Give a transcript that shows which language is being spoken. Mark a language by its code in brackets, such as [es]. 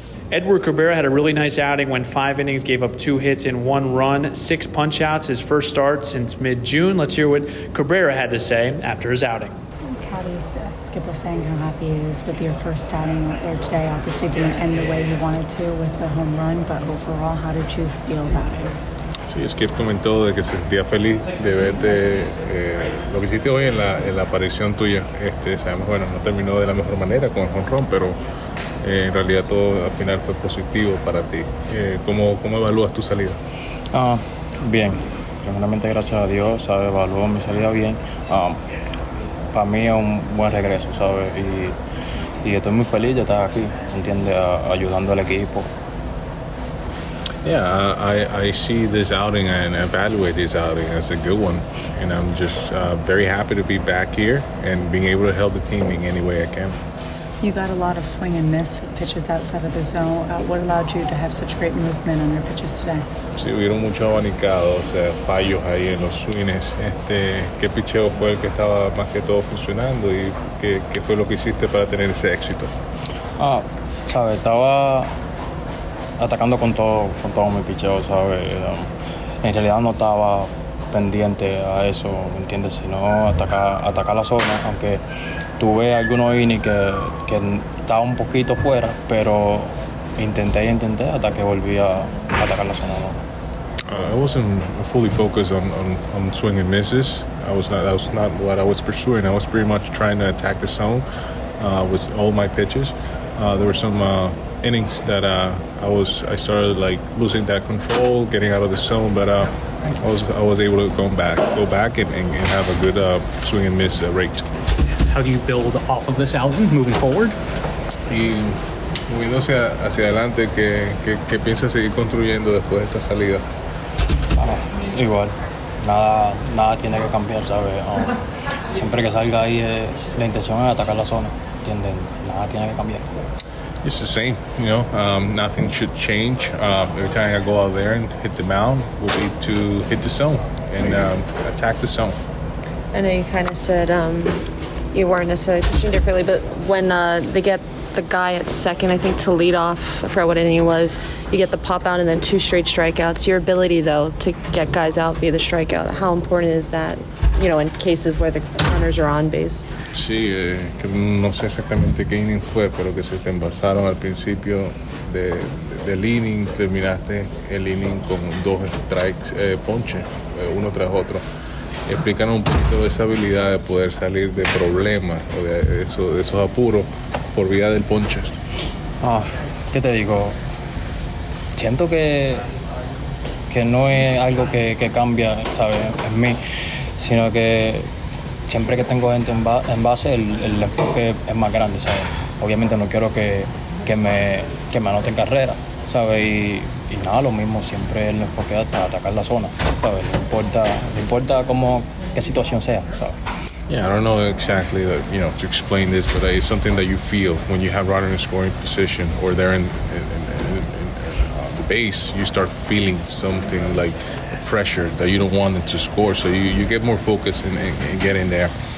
[en] Edward Cabrera had a really nice outing, went five innings, gave up two hits in one run, six punch outs, his first start since mid-June. Let's hear what Cabrera had to say after his outing. How do you Skip was saying how happy he is with your first outing there today? Obviously it didn't end the way you wanted to with the home run, but overall, how did you feel about it? [es] Sí, Skip comentó de que se sentía feliz de verte lo que hiciste hoy en la aparición tuya. Sabemos, bueno, no terminó de la mejor manera con el home run, pero en realidad todo al final fue positivo para ti. ¿Cómo evalúas tu salida? Bien. Primeramente, gracias a Dios, ¿sabes? Evaluó mi salida bien. Para mí es un buen regreso, ¿sabes? Y estoy muy feliz de estar aquí, ¿entiendes? Ayudando al equipo. [en] Yeah, I see this outing and evaluate this outing as a good one. And I'm just very happy to be back here and being able to help the team in any way I can. You got a lot of swing and miss pitches outside of the zone. What allowed you to have such great movement on your pitches today? [es] Sí, hubieron muchos abanicados, fallos ahí en los swings. ¿Qué picheo fue el que estaba más que todo funcionando y qué fue lo que hiciste para tener ese éxito? Sabes, estaba atacando con todo mi picheo, ¿sabes? En realidad no estaba pendiente a eso, ¿entiendes? Sino atacar la zona, aunque tuve algunos innings que estaba un poquito fuera, pero intenté hasta que volví a atacar la zona. [en] I wasn't fully focused on swing and misses. That was not what I was pursuing. I was pretty much trying to attack the zone with all my pitches. There were some innings that I started like losing that control, getting out of the zone, but I was able to go back and have a good swing and miss rate. How do you build off of this outing moving forward? [es] Y moviéndose hacia adelante, ¿qué piensas seguir construyendo después de esta salida? Igual, nada tiene que cambiar, ¿sabes? Siempre que salga ahí, la intención es atacar la zona, ¿entiendes? Nada tiene que cambiar. [en] It's the same, you know, nothing should change. Every time I go out there and hit the mound will be to hit the zone and attack the zone. I know you kind of said you weren't necessarily pitching differently, but when they get the guy at second, I think, to lead off, I forgot what inning it was, you get the pop out and then two straight strikeouts. Your ability, though, to get guys out via the strikeout, how important is that, you know, in cases where the runners are on base? [es] Sí, que no sé exactamente qué inning fue, pero que se te envasaron al principio del inning, terminaste el inning con dos strikes, ponches, uno tras otro. Explícanos un poquito de esa habilidad de poder salir de problemas o de esos apuros por vía del ponche. ¿Qué te digo? Siento que no es algo que cambia, ¿sabes? En mí, sino que siempre que tengo gente en base, el enfoque es más grande, ¿sabes? Obviamente no quiero que me anoten carrera, ¿sabes? Y nada, lo mismo, siempre el enfoque es hasta atacar la zona, ¿sabes? No importa cómo, qué situación sea, ¿sabes? [en] Yeah, I don't know exactly, you know, to explain this, but it's something that you feel when you have runners in scoring position or they're in the base, you start feeling something like pressure that you don't want them to score, so you get more focus and get in there.